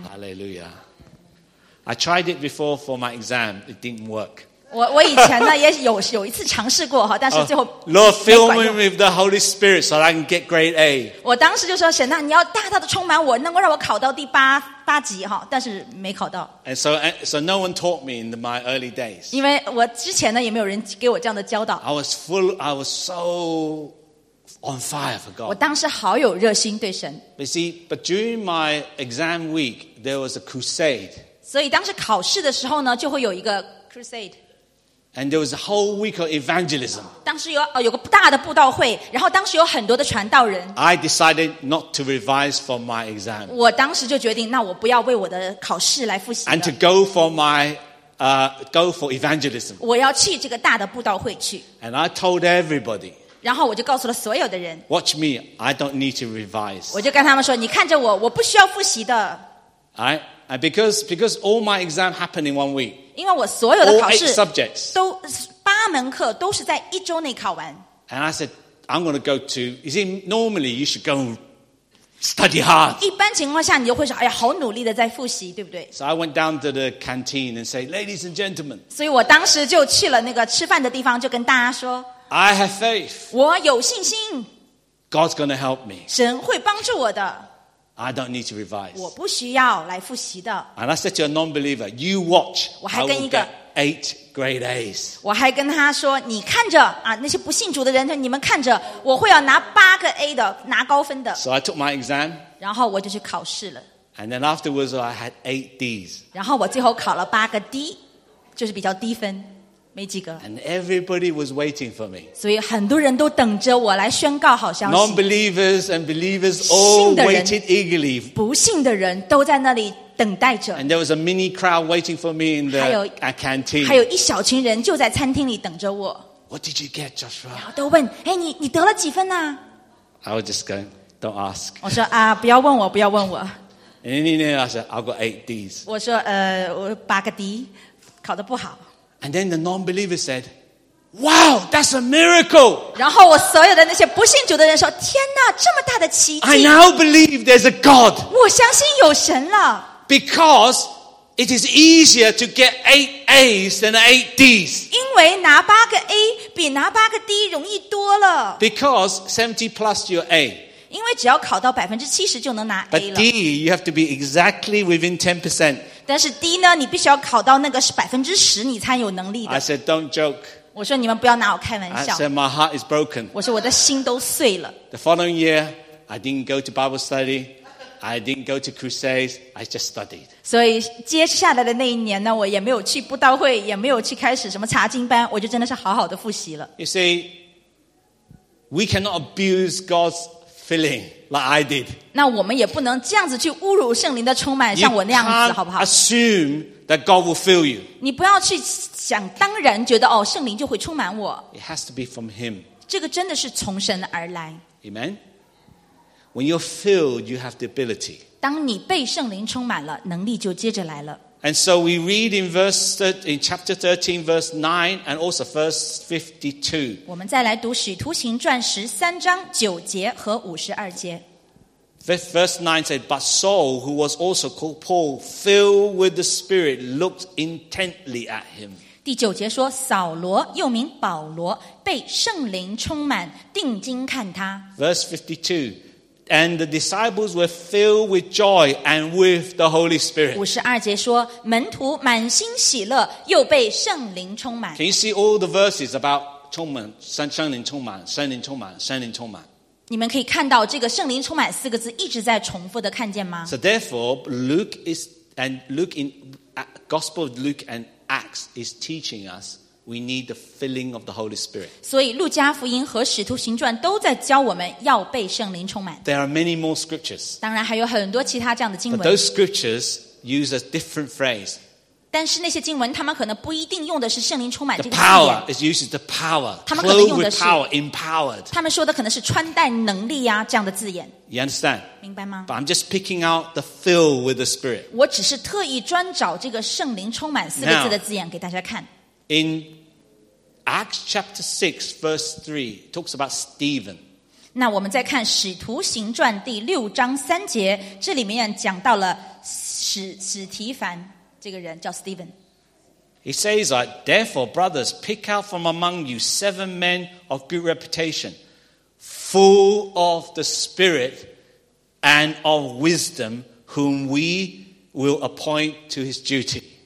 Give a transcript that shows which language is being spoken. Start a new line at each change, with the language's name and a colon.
English: Hallelujah. I tried it before for my exam. It didn't work.
Chinese: 我以前呢也有一次尝试过，但是最后
English: Lord, fill me with the Holy Spirit so I can get grade A.
Chinese: 我当时就说，神啊，你要大大的充满我，能够让我考到第八级，但是没考到。
English: And so no one taught me in my early days.
Chinese: 因为我之前呢也没有人给我这样的教导。
English: I was so on fire for God.
Chinese: 我当时好有热心对神。
English: You see, but during my exam week, there was a crusade.
Chinese: 所以当时考试的时候呢，就会有一个 crusade.
English: And there was a whole week of evangelism.
Chinese: 当时有个大的布道会，然后当时有很多的传道人。
English: I decided not to revise for my exam.
Chinese: 我当时就决定，那我不要为我的考试来复习了。
English: And to go for my, go for evangelism.
Chinese: 我要去这个大的布道会去。
English: And I told everybody.
Chinese: 然后我就告诉了所有的人。
English: Watch me, I don't need to revise.
Chinese: 我就跟他们说，你看着我，我不需要复习的。
English: I. Because all my exam happened in one week.
Chinese: 因为我所有的考试
English: all subjects.
Chinese: 都八门课都是在一周内考完。
English: And I said, I'm going to go to, you see, normally you should go study hard.
Chinese: 一般情况下你就会说，哎呀，好努力的在复习，对不对？
English: So I went down to the canteen and said, ladies and gentlemen.
Chinese: 所以我当时就去了那个吃饭的地方，就跟大家说，
English: I have faith.
Chinese: 我有信心。
English: God's going to help me.
Chinese: 神会帮助我的。
English: I don't need to revise.
Chinese: 我不需要来复习的。
English: And I said to a non-believer, you watch.
Chinese: 我还跟一个
English: eight grade A's.
Chinese: 我还跟他说，你看着啊，那些不信主的人，你们看着，我会要拿八个 A 的，拿高分的。
English: So I took my exam.
Chinese: 然后我就去考试了。
English: And then afterwards, I had eight D's.
Chinese: 然后我最后考了八个 D， 就是比较低分，没及格。
English: And everybody was waiting for me.
Chinese: 所以很多人都等着我来宣告好消息。
English: Non-believers and believers all waited eagerly.
Chinese: 不信的人都在那里等待着。
English: And there was a mini crowd waiting for me in the canteen.
Chinese: 还有一小群人就在餐厅里等着我。
English: What did you get, Joshua?
Chinese: 然后都问，哎，你得了几分呢？
English: I was just going, don't ask.
Chinese: 我说啊，不要问我，不要问我。
English: And then I said, I've got eight D's.
Chinese: 我说我八个 D， 考得不好。
English: And then the non-believer said, "Wow, that's a miracle."
Chinese: 然后我所有的那些不信主的人说，天哪，这么大的奇迹！
English: I now believe there's a God.
Chinese: 我相信有神了。
English: Because it is easier to get eight A's than eight D's.
Chinese: 因为拿八个 A 比拿八个 D 容易多了。
English: Because 70 plus your A.
Chinese: 因为只要考到 70% 就能拿 A 了。
English: But D, you have to be exactly within 10%.
Chinese: 但是 D 呢，你必须要考到那个是10%，你才有能力的。
English: I said, "Don't joke."
Chinese: 我说你们不要拿我开玩笑。
English: I said, "My heart is broken."
Chinese: 我说我的心都碎了。
English: The following year, I didn't go to Bible study. I didn't go to crusades, I just studied.
Chinese: 所以接下来的那一年呢，我也没有去布道会，也没有去开始什么查经班，我就真的是好好的复习了。
English: You see, we cannot abuse God's filling like I did.
Chinese: 那我们也不能这样子去侮辱圣灵的充满，像我那样子，好不好？
English: You can't assume that God will fill you.
Chinese: 你不要去想当然觉得哦，圣灵就会充满我。
English: It has to be from Him.
Chinese: 这个真的是从神而来。
English: Amen. When you're filled, you have the ability.
Chinese: 当你被圣灵充满了，能力就接着来了。
English: And so we read in verse in chapter 13, verse 9, and also verse 52.
Chinese: 我们再来读使徒行传十三章九节和五十二节。
English: Verse 9 said, "But Saul, who was also called Paul, filled with the Spirit, looked intently at him."
Chinese: 第九节说，扫罗又名保罗，被圣灵充满，定睛看他。
English: Verse 52. And the disciples were filled with joy and with the Holy Spirit.
Chinese: 五十二节说，门徒满心喜乐，又被圣灵充满。
English: Can you see all the verses about
Chinese: 充满，圣灵充满，圣灵充满，圣灵充满？你们可以看到这个圣灵充满四个字一直在重复的看见吗
English: ？So therefore, Luke is and Luke in Gospel of Luke and Acts is teaching us. We need the filling of the Holy Spirit.
Chinese: 所以路加福音和使徒行传都在教我们要被圣灵充满。
English: There are many more scriptures.
Chinese: 当然还有很多其他这样的经文。
English: But those scriptures use a different phrase.
Chinese: 但是那些经文，他们可能不一定用的是圣灵充满这个字眼。
English: The power is used the power.
Chinese: 他们可能用的是
English: clothed with power, empowered.
Chinese: 他们说的可能是穿戴能力呀这样的字眼。
English: You understand?
Chinese: 明白吗
English: ？But I'm just picking out the fill with the Spirit.
Chinese: 我只是特意专找这个圣灵充满四个字的字眼给大家看。
English: In Acts chapter 6, verse 3, it talks about Stephen.
Chinese: 那我们再看《使徒行传》第六章三节，这里面讲到了使提凡这个人叫 Stephen.
English: He says, "Therefore, brothers, pick out from among you seven men of good reputation, full of the Spirit and of wisdom, whom we will appoint to his duty."